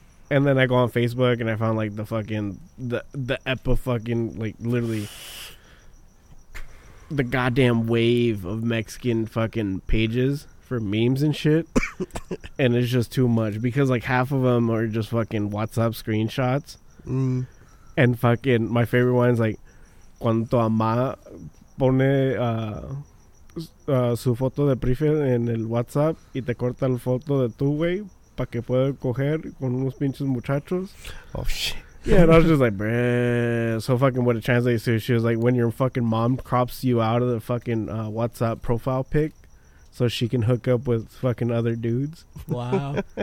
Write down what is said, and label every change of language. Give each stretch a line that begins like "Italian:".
English: And then I go on Facebook and I found like the fucking the epa fucking, like, literally the goddamn wave of Mexican fucking pages for memes and shit. And it's just too much, because like half of them are just fucking WhatsApp screenshots. And fucking my favorite one is like,
Spanish: cuando tu mamá pone su foto de perfil en el WhatsApp y te corta la foto de tu güey para que pueda coger con unos pinches muchachos.
English: Oh shit. Yeah, and I was just like, bruh. So fucking what it translates to, she was like, when your fucking mom crops you out of the fucking WhatsApp profile pic so she can hook up with fucking other dudes. Wow.